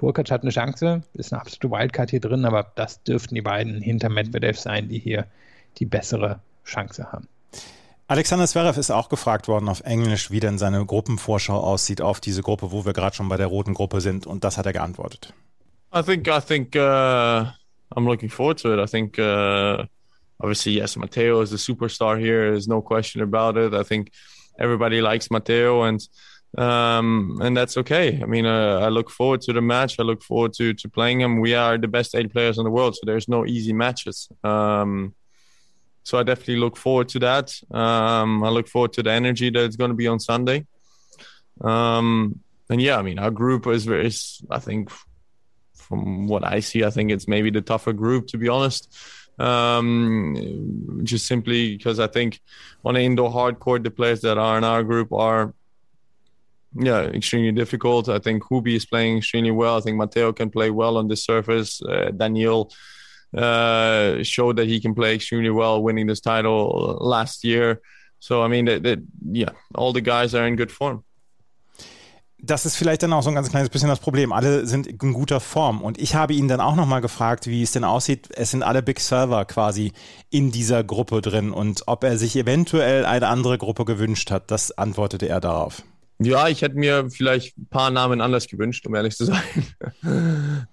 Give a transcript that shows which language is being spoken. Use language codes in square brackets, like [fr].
[de] Hurkacz hat eine Chance, ist eine absolute Wildcard hier drin, aber das dürften die beiden hinter Medvedev sein, die hier die bessere Chance haben. Alexander Zverev ist auch gefragt worden auf Englisch, wie denn seine Gruppenvorschau aussieht auf diese Gruppe, wo wir gerade schon bei der roten Gruppe sind, und das hat er geantwortet. [en] I think I'm looking forward to it. I think obviously yes, Matteo is a superstar here, there's no question about it. I think everybody likes Matteo and that's okay. I mean, I look forward to the match. I look forward to playing him. We are the best 8 players in the world, so there's no easy matches. So I definitely look forward to that. I look forward to the energy that's going to be on Sunday. And yeah, I mean, our group is, I think, from what I see, I think it's maybe the tougher group, to be honest. Just simply because I think on an indoor hard court, the players that are in our group are, yeah, extremely difficult. I think Hubi is playing extremely well. I think Matteo can play well on the surface. Daniel showed that he can play extremely well, winning this title last year. So, I mean, all the guys are in good form. [de] Das ist vielleicht dann auch so ein ganz kleines bisschen das Problem. Alle sind in guter Form. Und ich habe ihn dann auch nochmal gefragt, wie es denn aussieht. Es sind alle Big Server quasi in dieser Gruppe drin. Und ob er sich eventuell eine andere Gruppe gewünscht hat, das antwortete er darauf. Ja, ich hätte mir vielleicht ein paar Namen anders gewünscht, um ehrlich zu sein.